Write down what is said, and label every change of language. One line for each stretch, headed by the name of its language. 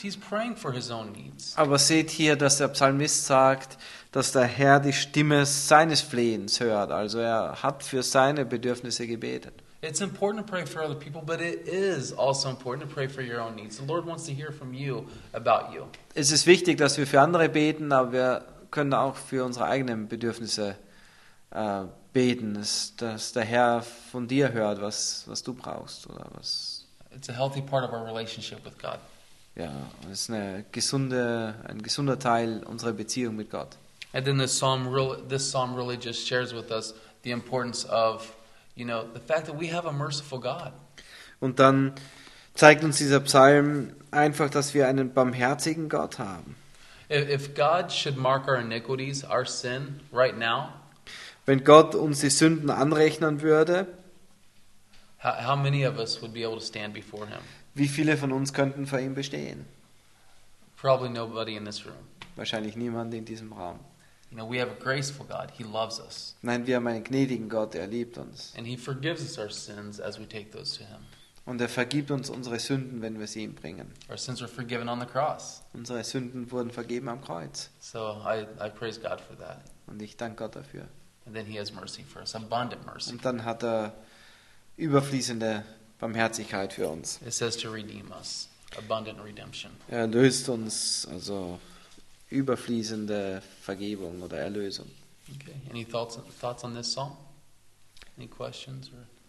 English: He's praying for his own needs.
German: Aber seht hier, dass der Psalmist sagt, dass der Herr die Stimme seines Flehens hört. Also er hat für seine Bedürfnisse gebetet.
English: It's important to pray for other people, but it is also important to pray for your own needs. The Lord wants to hear from you about you.
German: Es ist wichtig, dass wir für andere beten, aber wir können auch für unsere eigenen Bedürfnisse beten, dass der Herr von dir hört, was du brauchst oder was.
English: It's a healthy part of our relationship with God.
German: Ja, es ist ein gesunder Teil unserer Beziehung mit Gott.
English: And then this psalm really just shares with us the importance of, you know, the fact that we have a merciful God.
German: Und dann zeigt uns dieser Psalm einfach, dass wir einen barmherzigen Gott haben.
English: If God should mark our iniquities, our sin, right now.
German: Wenn Gott uns die Sünden anrechnen würde,
English: how many of us would be able to stand before him?
German: Wie viele von uns könnten vor ihm bestehen?
English: Probably nobody in this room.
German: Wahrscheinlich niemand in diesem Raum.
English: You know, we have a graceful God. He loves us.
German: Nein, wir haben einen gnädigen Gott, er liebt uns.
English: And he forgives us our sins as we take those to him.
German: Und er vergibt uns unsere Sünden, wenn wir sie ihm bringen.
English: Our sins were forgiven on the cross.
German: Unsere Sünden wurden vergeben am Kreuz.
English: So I praise God for that.
German: Und ich danke Gott dafür.
English: And then he has mercy for us, abundant mercy.
German: Und dann hat er überfließende Barmherzigkeit für uns.
English: It says to redeem us, abundant redemption.
German: Er erlöst uns, also überfließende Vergebung oder Erlösung.
English: Okay. Any thoughts on this psalm? Any questions? Or?